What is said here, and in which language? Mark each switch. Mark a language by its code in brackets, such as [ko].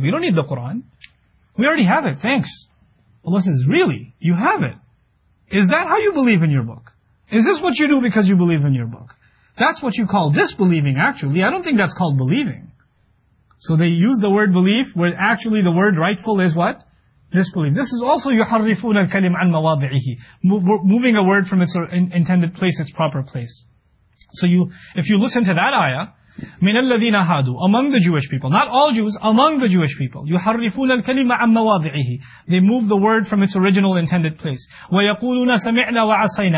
[en] We don't need the Quran. We already have it. Thanks. Allah says, really? You have it? Is that how you believe in your book? Is this what you do because you believe in your book? That's what you call disbelieving, actually. I don't think that's called believing. So they use the word belief, where actually the word rightful is what? Disbelief. This is also [ar] يُحَرِّفُونَ الْكَلِمْ عَنْ مَوَاضِعِهِ. [en] Moving a word from its intended place, its proper place. So you, if you listen to that ayah, [ar] مِنَ الَّذِينَ هَادُوا, [en] among the Jewish people, not all Jews, among the Jewish people, [ar] يُحَرِّفُونَ الْكَلِمَ عَنْ مَوَاضِعِهِ. [en] They move the word from its original intended place. [ar] وَيَقُولُونَ سَمِعْنَا وَعَصَيْنَا.